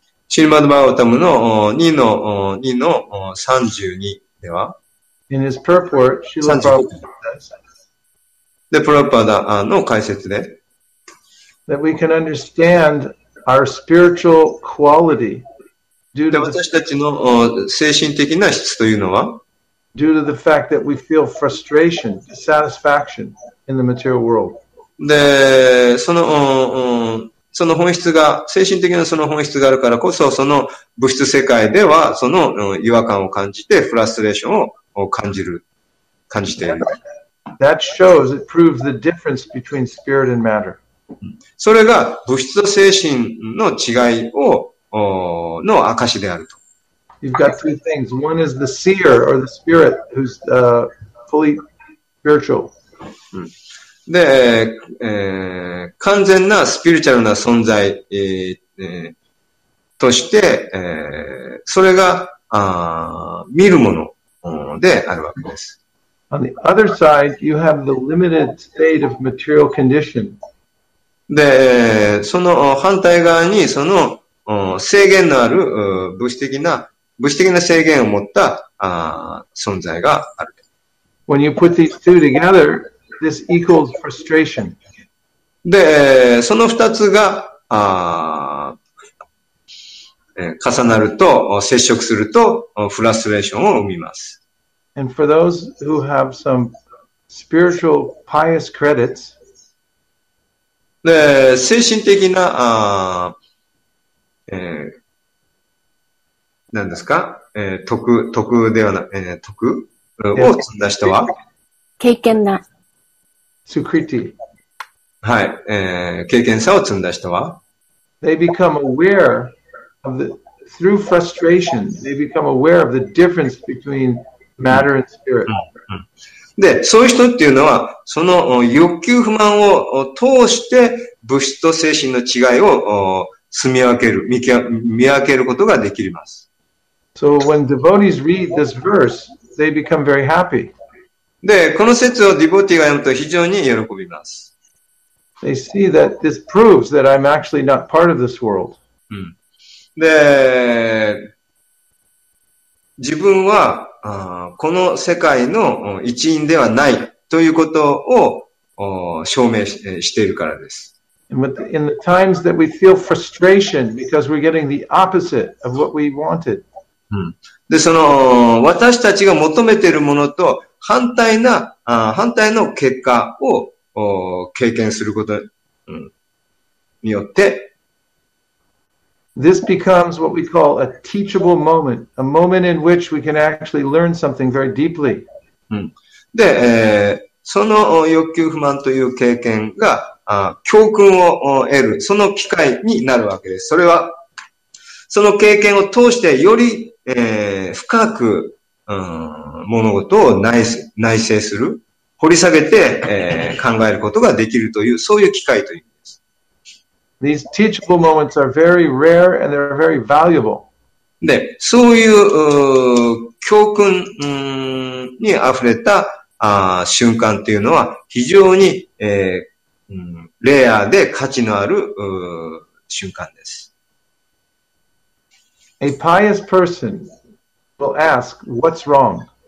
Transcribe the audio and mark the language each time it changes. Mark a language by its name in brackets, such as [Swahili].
[Japanese] Srimad Bhagavatam の 2-32 では、 [English] In his purport, Srila Prabhupada says, [Japanese] プロパダの解説で [English] that we can understand our spiritual quality [Japanese] で、私たちの精神的な質というのは、 [English] due to the fact that we feel frustration, dissatisfaction in the material world. [Japanese] で、その本質が、精神的なその本質があるからこそ、その物質世界では、その違和感を感じて、フラストレーションを感じている。 [English] That shows, it proves the difference between spirit and matter. [Japanese] それが物質と精神の違いを、の証であると。 [English] You've got two things. One is the seer or the spirit who's fully spiritual. [Japanese] で、完全なスピリチュアルな存在、として、それが、見るものであるわけです。 [English] On the other side, you have the limited state of material condition. [Japanese] で、その反対側にその制限のある物質的な制限を持った存在がある。 [English] When you put these two together, this equals frustration. [Japanese] で、その二つが重なると接触するとフラストレーションを生みます。 [English] And for those who have some spiritual pious credits, [Japanese] で、精神的な何ですか、徳ではな、徳を積んだ人は経験な。 Sukriti。はい、経験さを積んだ人は [English] They become aware of the, through frustration, they become aware of the difference between matter and spirit. [Japanese] で、そういう人っていうのは、その欲求不満を通して物質と精神の違いを住み分ける、見分けることができます。 [English] So when devotees read this verse, they become very happy. [Japanese] で、この説をディボティが読むと非常に喜びます。 [English] They see that this proves that I'm actually not part of this world. [Japanese] で、自分はこの世界の一員ではないということを証明しているからです。 [English] In the times that we feel frustration because we're getting the opposite of what we wanted. [Japanese] で、その、私たちが求めているものと反対の結果を経験することによって、 [English] This becomes what we call a teachable moment, a moment in which we can actually learn something very deeply. [Japanese] で、その欲求不満という経験が教訓を得るその機会になるわけです。それはその経験を通してより、深く、物事を内省する、掘り下げて、考えることができるというそういう機会という。 [English] These teachable moments are very rare and they're very valuable. [Japanese] で、そういう、教訓に溢れた瞬間というのは非常に、レアで価値のある瞬間です。 [English] A pious person will ask, what's wrong?